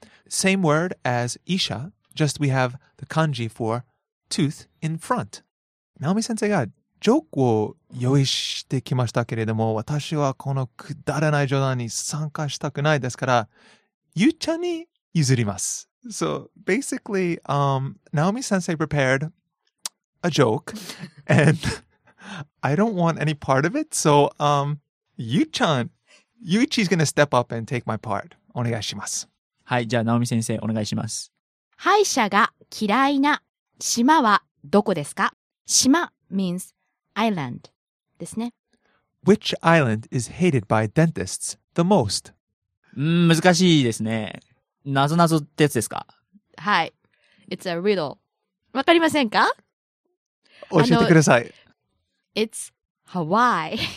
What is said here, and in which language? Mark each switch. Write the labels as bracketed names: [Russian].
[English] Same word as 医者, just we have the kanji for tooth in front. [Japanese] Naomi 先生がジョークを用意してきましたけれども、私はこのくだらない冗談に参加したくないですから、ゆうちゃんに譲ります。 [English] So basically, Naomi 先生 prepared a joke, and I don't want any part of it, so ゆうちゃんYuichi's gonna step up and take my part. [Japanese] お願いします。はい、じゃあ、ナオミ先生、お願いします。歯医者が嫌いな島はどこですか? 島 [English] means island [Japanese] ですね。 [English] Which island is hated by dentists the most? [Japanese] 難しいですね。謎々ってやつですか? [English] はい。It's a riddle. [Japanese] わかりませんか? 教えてください。 [English] It's Hawaii.